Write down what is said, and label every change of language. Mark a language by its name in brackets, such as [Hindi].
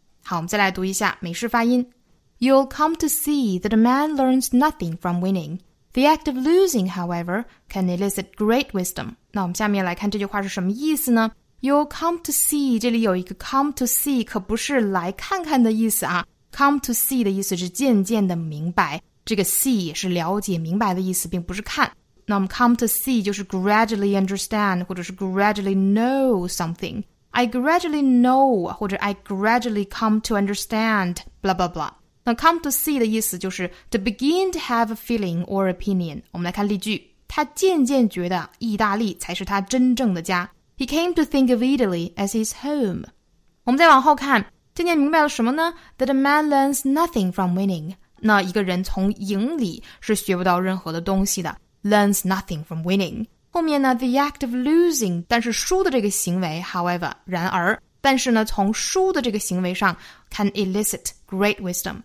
[Chinese] 好，我们再来读一下美式发音。 [English] You'll come to see that a man learns nothing from winning. The act of losing, however, can elicit great wisdom. [Chinese] 那我们下面来看这句话是什么意思呢？ You'll come to see, 这里有一个 come to see, 可不是来看看的意思啊。 Come to see 的意思是渐渐的明白，这个 see 也是了解明白的意思，并不是看。那我们 come to see 就是 [English] gradually understand, [Chinese] 或者是 [English] gradually know something. I gradually know, [Chinese] 或者 [English] I gradually come to understand, blah blah blah. [Chinese] 那 come to see 的意思就是 [English] to begin to have a feeling or opinion. [Chinese] 我们来看例句，他渐渐觉得意大利才是他真正的家。 [English] He came to think of Italy as his home. [Chinese] 我们再往后看，渐渐明白了什么呢？ [English] That a man learns nothing from winning. [Chinese] 那一个人从赢里是学不到任何的东西的。 [English] Learns nothing from winning. [Chinese] 后面呢 [English] ,the act of losing, [Chinese] 但是输的这个行为 [English] however, [Chinese] 然而。但是呢从输的这个行为上 [English] can elicit great wisdom.